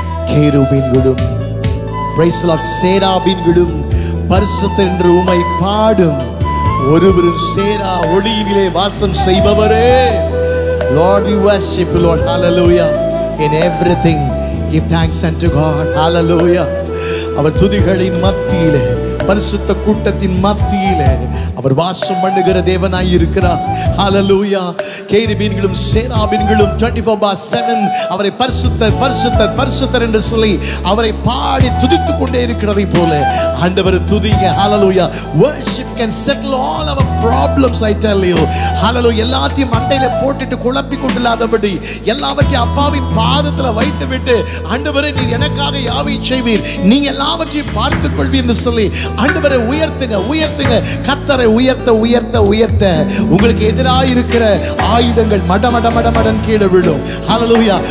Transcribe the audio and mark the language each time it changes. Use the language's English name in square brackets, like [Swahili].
[Tamil] கேருபீன்களும் praise the Lord, சேராபீன்களும் பரிசுத்தர் என்று உம்மை பாடும் ஒருவரும் சேரா ஒளியிலே வாசம் செய்பவரே. [English] Lord, we worship you, Lord. Hallelujah. In everything, give thanks unto God. Hallelujah. [Tamil] அவர் துதிகளின் மத்தியிலே, பரிசுத்த கூட்டத்தின் மத்தியிலே அவர் வாசம் பண்ணுகிற தேவனாய் இருக்கிறார். Hallelujah. கேருபீன்களும் சேராபீன்களும் 24/7 அவரை பரிசுத்தர் பரிசுத்தர் பரிசுத்தர் என்று சொல்லி அவரை பாடி துதித்துக் கொண்டே இருக்கிறதை போல ஆண்டவர் துதிங்க. [English] Hallelujah. Worship can settle all our problems, I tell you. Hallelujah. [Tamil] எல்லாத்தையும் மண்டையில போட்டுட்டு குழப்பி கொண்டில்லாதபடி எல்லாவற்றையும் அப்பாவின் பாதத்துல வைத்து விட்டு, ஆண்டவரே நீ எனக்காக யாவை செய்வீர், நீ எல்லாவற்றையும் பார்த்துக் கொள்வீர் என்று சொல்லி ஆண்டவரை உயர்த்துங்க, உயர்த்துங்க. கர்த்தரை உயர்த்த உயர்த்த உயர்த்த உங்களுக்கு எதிராக இருக்கிற ஆயுதங்கள் மடமட மடமடன் கீழே விழும். ஹல்லேலூயா.